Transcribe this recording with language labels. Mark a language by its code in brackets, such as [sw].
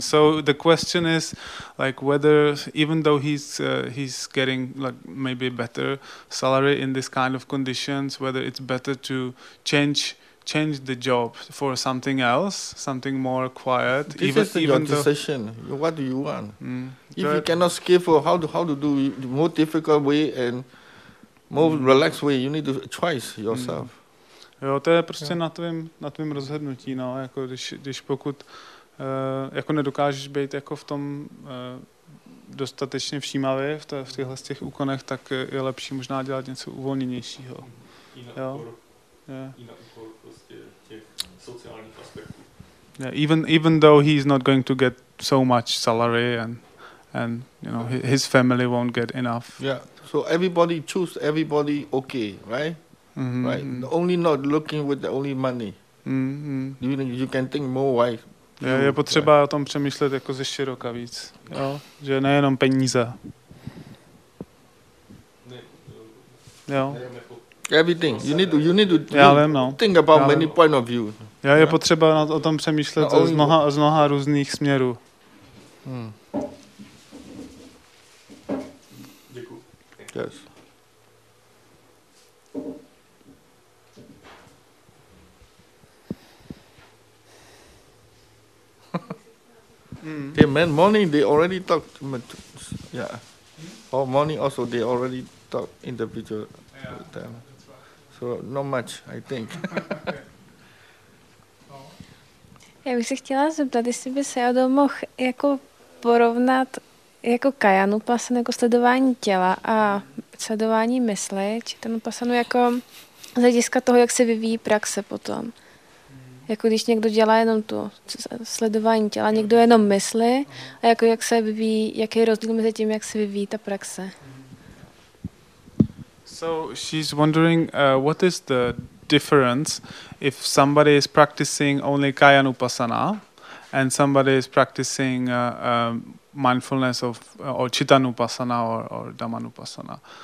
[en] So the question is, like, whether even though he's getting like maybe better salary in this kind of conditions, whether it's better to change the job for something else, something more quiet. This is your decision. What do you want? Mm. If you cannot skillful, how to do the more difficult way and more relaxed way, you need to choice yourself. Mm. [cs] Jo, to je prostě na tvým rozhodnutí, no, jako když pokud jako nedokážeš být jako v tom dostatečně všímavý v těchhle z těch úkonech, tak je lepší možná dělat něco uvolněnějšího. I na úkor prostě těch sociálních aspektů. [en] Yeah, even though he's not going to get so much salary and you know, his family won't get enough. Yeah, so everybody choose, everybody okay, right? Mm-hmm. Right, only not looking with the only money. Mm-hmm. You can think more wide. [cs] Je potřeba o tom přemýšlet jako ze široka víc, jo? Že nejenom peníze. Ne, jo. [en] Everything. You need to think about many point of view. [cs] Já je potřeba o tom přemýšlet z mnoha různých směrů. Děkuji. [en] Yes. Okay, man, morning they already talked. Yeah. Oh, morning also they already talked individual. Yeah, that's right. So not much, I think. [cs] Já bych se chtěla zeptat, jestli by se Jado mohl jako porovnat jako kajanu pasan, jako sledování těla a sledování mysli, či ten pasanu jako z hlediska toho, jak se vyvíjí praxe potom. Jako když někdo dělá jenom tu sledování těla, někdo jenom mysli, a jako jak se vyvíjí, jaký je rozdíl mezi tím, jak se vyvíjí ta praxe. [en] So she's wondering what is the difference if somebody is practicing only kayanupasana and somebody is practicing mindfulness of or chitanupasana or dhammanupasana.